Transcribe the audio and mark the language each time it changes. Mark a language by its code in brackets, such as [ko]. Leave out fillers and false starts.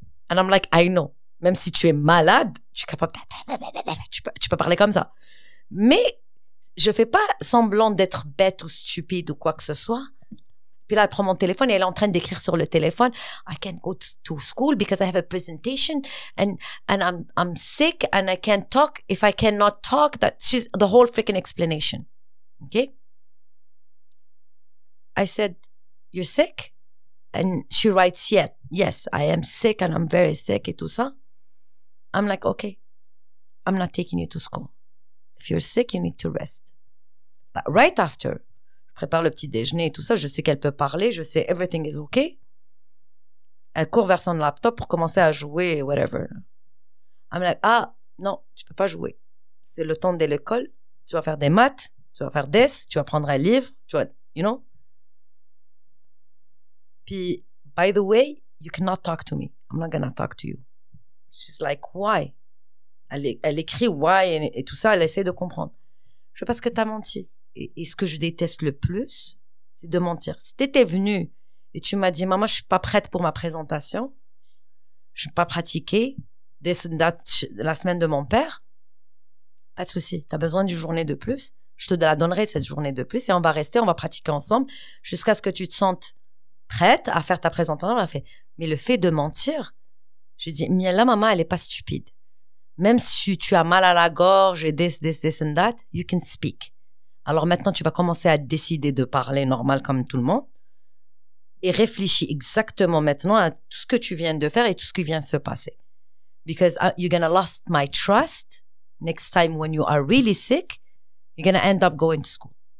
[en] And I'm like, I know. [fr] Même si tu es malade, tu es capable... Tu peux parler comme ça. Mais... Je fais pas semblant d'être bête ou stupide ou quoi que ce soit. Puis là, elle prend mon téléphone et elle est en train d'écrire sur le téléphone. [en] I can't go to school because I have a presentation and I'm sick and I can't talk. If I cannot talk, that's the whole freaking explanation. Okay? I said, you're sick? And she writes, yeah, yes, I am sick and I'm very sick [fr] et tout ça. [en] I'm like, okay, I'm not taking you to school. If you're sick, you need to rest. But right after, [fr] je prépare le petit déjeuner et tout ça, je sais qu'elle peut parler, je sais [en] everything is okay. [fr] Elle court vers son laptop pour commencer à jouer, [en] whatever. I'm like, [fr] ah, non, tu peux pas jouer. C'est le temps de l'école, tu vas faire des maths, tu vas faire des, tu vas prendre un livre, tu vas, [en] you know. [fr] Puis, [en] by the way, you cannot talk to me. I'm not gonna talk to you. She's like, why? [fr] Elle écrit « why » et tout ça, elle essaie de comprendre. Je sais pas ce que t'as menti. Et ce que je déteste le plus, c'est de mentir. Si t'étais venue et tu m'as dit « maman, je suis pas prête pour ma présentation, je suis pas pratiquée, dès la semaine de mon père, pas de souci, t'as besoin d'une journée de plus, je te la donnerai cette journée de plus et on va rester, on va pratiquer ensemble jusqu'à ce que tu te sentes prête à faire ta présentation. » Elle a fait « mais le fait de mentir, je dis « Miella, maman, elle est pas stupide. » Même si tu as mal à la gorge et [en] this and that, you can speak. [fr] Alors maintenant, tu vas commencer à décider de parler normal comme tout le monde et réfléchis exactement maintenant à tout ce que tu viens de faire et tout ce qui vient de se passer. [en] Because you're going to lose my trust next time when you are really sick, you're going to end up going to school.